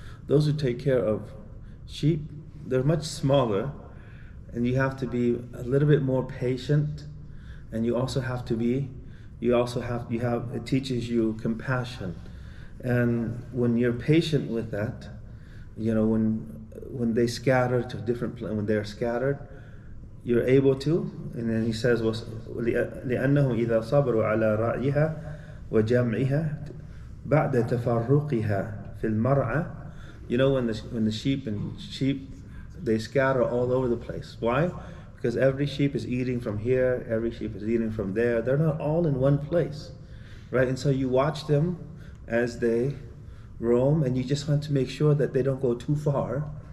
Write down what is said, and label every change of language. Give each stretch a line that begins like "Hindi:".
English: Those who take care of sheep, they're much smaller, and you have to be a little bit more patient, and you also have to be, it teaches you compassion. And when you're patient with that, you know, when they scatter to different places, when they're scattered, you're able to. And then he says,
Arabic: لِأَنَّهُمْ إِذَا صَبَرُوا عَلَى رَأْيِهَا وَجَمْعِهَا بَعْدَ تَفَرُّقِهَا فِي الْمَرْعَى.
English: You know, when the sheep, they scatter all over the place. Why? Because every sheep is eating from here, every sheep is eating from there. They're not all in one place, right? And so you watch them as they roam, and you just want to make sure that they don't go too far.